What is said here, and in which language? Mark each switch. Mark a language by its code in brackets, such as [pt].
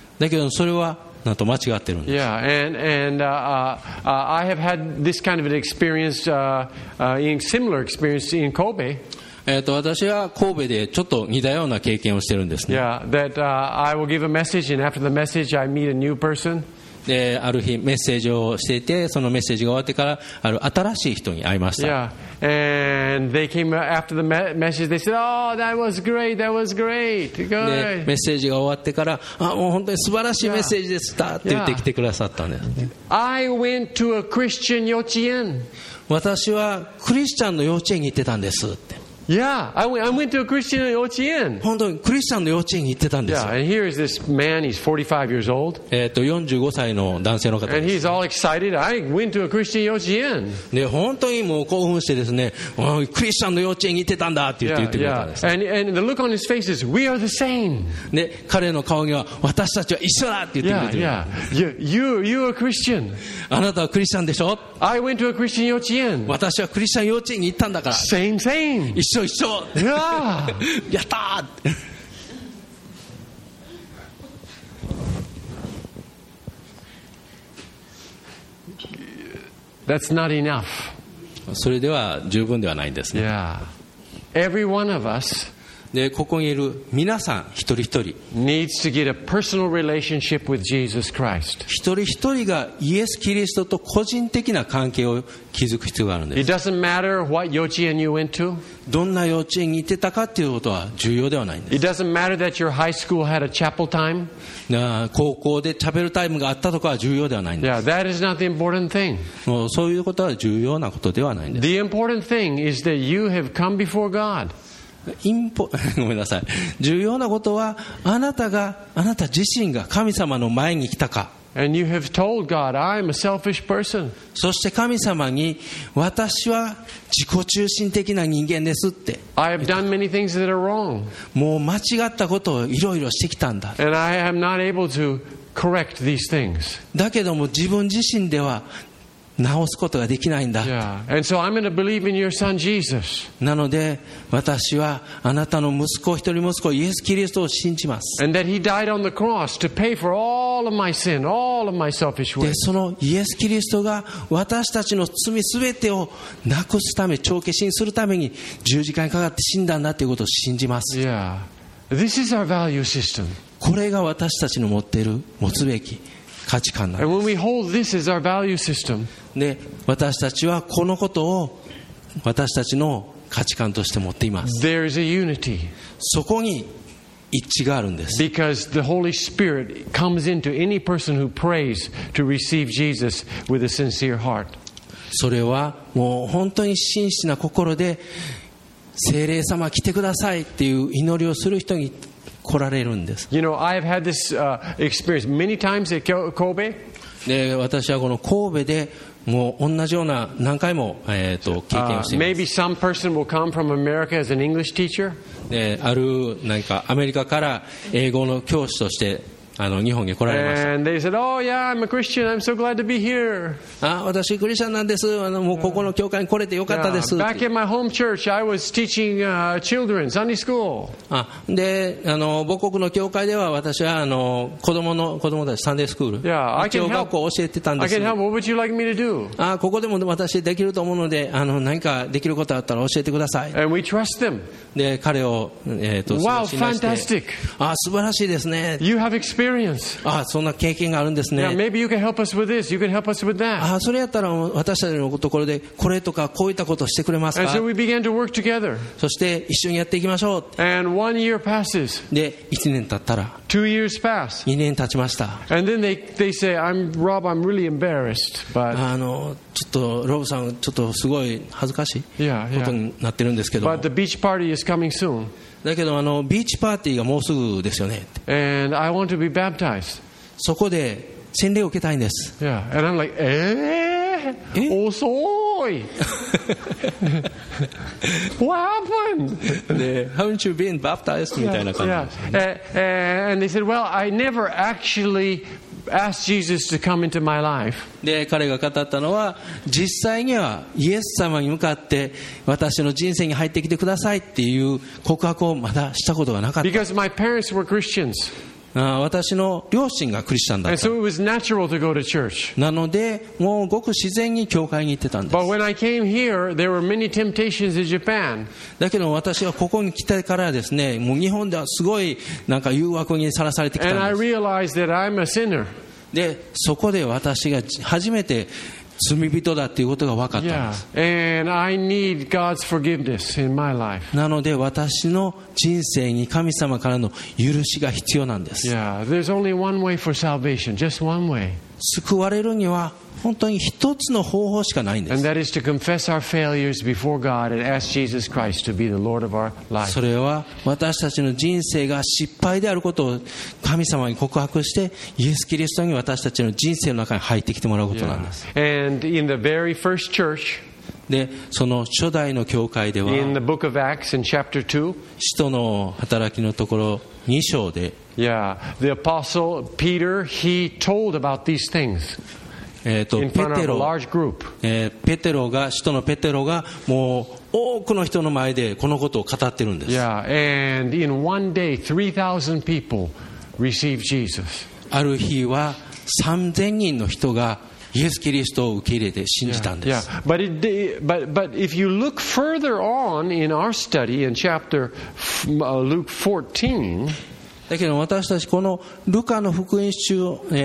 [ja] だけどそれはなんと間違ってるんです。 [en] Yeah, I have had this kind of an experience, in similar experience in Kobe. [ja] 私は神戸でちょっと似たような経験をしてるんですね。 [en] Yeah, that, I will give a message and after the message I meet a new person. [ja] ある日メッセージをしていて、そのメッセージが終わってからある新しい人に会いました。 [en] Yeah, and they came after the message, they said, oh, that was great. Good. [ja] で、メッセージが終わってから、あ、もう本当に素晴らしいメッセージでした、yeah. って言ってきてくださったんです。 [en] I went to a Christian 幼稚園。 [ja] 私はクリスチャンの幼稚園に行ってたんですって。 [en] Yeah, I went to a Christian 幼稚園。 [ja] 本当にクリスチャンの幼稚園に行ってたんですよ。 [en] Yeah, and here is this man, he's 45 years old. [ja] 45歳の男性の方です。 [en] And he's all excited. I went to a Christian 幼稚園。 [ja] で、本当にもう興奮してですね、クリスチャンの幼稚園に行ってたんだって言ってくれたんです。 [en] Yeah. And the look on his face is, we are the same. [ja] で、彼の顔には私たちは一緒だって言ってくれてる。 [en] Yeah, yeah. You are a Christian. [ja] あなたはクリスチャンでしょ。 [en] I went to a Christian 幼稚園。 [ja] 私はクリスチャン幼稚園に行ったんだから。 [en] Same. [ja] 一緒。 [en] Yeah. [ja] やった [en] That's not enough. [ja] それでは十分ではないんですね。 [en] Yeah. Every one of us [ja] で、ここにいる皆さん一人一人 [en] needs to get a personal relationship with Jesus Christ. [ja] 一人一人がイエス・キリストと個人的な関係を築く必要があるんです。 [en] It doesn't matter what 幼稚園 you went to. [ja] どんな幼稚園に行ってたかということは重要ではないんです。 [en] It doesn't matter that your high school had a chapel time. [ja] 高校でチャペルタイムがあったとかは重要ではないんです。 [en] Yeah, that is not the important thing. [ja] もうそういうことは重要なことではないんです。 [en] The important thing is that you have come before God. [ja] ごめんなさい。重要なことはあなた自身が神様の前に来たか。 [en] And you have told God, I'm a selfish person. [ja] そして神様に私は自己中心的な人間ですって。 [en] I have done many things that are wrong. [ja] もう間違ったことをいろいろしてきたんだ。 [en] And I am not able to correct these things. [ja] だけども自分自身では直すことができないんだ。 [en] Yeah. And so I'm going to believe in your son Jesus. [ja] なので私はあなたの息子、一人息子イエス・キリストを信じます。 [en] And that he died on the cross to pay for all of my sin, all of my selfish ways. [ja] で、そのイエス・キリストが私たちの罪すべてをなくすため、帳消しにするために十字架にかかって死んだんだということを信じます。 [en] Yeah. This is our value system. [ja] これが私たちの持っている持つべき価値観なんです。 [en] And when we hold this as our value system, [ja] で私たちはこのことを私たちの価値観として持っています。 [en] There is a unity. [ja] そこに一致があるんです。 [en] Because the Holy Spirit comes into any person who prays to receive Jesus with a sincere heart. [ja] それはもう本当に真摯な心で聖霊様来てくださいっていう祈りをする人に来られるんです。 [en] You know, I have had this experience many times at Kobe. [ja] で、私はこの神戸でもう同じような何回も経験をしています [en] Maybe some person will come from America as an English teacher. [ja] で、あるなんかアメリカから英語の教師として日本に来られました。 [en] And they said, "Oh, yeah, I'm a Christian. I'm so glad to be here." [ja] あ、私クリスチャンなんです。もうここの教会に来れてよかったです。 [en] Back in my home church, I was teaching children Sunday school. [ja] あ、で、母国の教会では私は子供たちサンデースクール、小学校を教えてたんです。 [en] I can help. What would you like me to do? [ja] あ、ここでも私できると思うので、何かできることあったら教えてください。 [en] And we trust them. [ja] で、彼を [en] Wow, fantastic. [ja] あ、素晴らしいですね。 [en] You have experience. [ja] ああ、そんな経験があるんですね。 [en] Maybe you can help us with this. You can help us with that. [ja] ああ、それやったら私たちのところでこれとかこういったことをしてくれますか。 [en] And so we began to work together. [ja] そして一緒にやっていきましょう。 [en] And 1 year passes. [ja] で、1年経ったら。 [en] 2 years pass. [ja] 2年経ちました。 [en] And then they say, "I'm Rob. I'm really embarrassed." But [ja] ちょっとロブさんちょっとすごい恥ずかしいことになってるんですけど。 [en] But the beach party is coming soon. [ja] だけどビーチパーティーがもうすぐですよね。 [en] And I want to be baptized. [ja] そこで洗礼を受けたいんです。 [en] Yeah. And I'm like, [ja] 遅い。 [en] What happened? Haven't you been baptized? [ja] みたいな感じ。 [en] And they said, well, I never actually asked Jesus to come into my life. [ja] で彼が語ったのは実際にはイエス様に向かって私の人生に入ってきてくださいっていう告白をまだしたことがなかった。 [en] Because my parents were Christians. [ja] 私の両親がクリスチャンだった。 [en] And so it was natural to go to church. [ja] なのでもうごく自然に教会に行ってたんです。 [en] But when I came here, there were many temptations in Japan. [ja] だけど私はここに来てからですね、もう日本ではすごいなんか誘惑にさらされてきたんです。 [en] And I realized that I'm a sinner. [ja] でそこで私が初めて罪人だということが分かったんです。 [en] Yeah. And I need God's forgiveness in my life. [ja] なので私の人生に神様からの許しが必要なんです。 [en] Yeah. There's only one way for salvation. Just one way. [ja] 救われるには本当に一つの方法しかないんです。 [en] And that is to confess our failures before God and ask Jesus Christ to be the Lord of our life. [ja] それは私たちの人生が失敗であることを神様に告白して、イエス・キリストに私たちの人生の中に入ってきてもらうことなんです。 [en] Yeah. And in the very first church, [ja] でその初代の教会では、 [en] in the book of Acts in chapter 2, [ja] 使徒の働きのところ2章で、 [en] yeah, the apostle Peter, he told about these things. [ja] ペテロが使徒のペテロがもう多くの人の前でこのことを語ってるんです。 [en] Yeah, and in one day, 3,000 people received Jesus. [ja] ある日は3,000人の人がイエス・キリストを受け入れて信じたんです。 [en] Yeah, yeah. But if you look further on in our study in chapter Luke 14, [ja] だけど私たちこのルカの福音書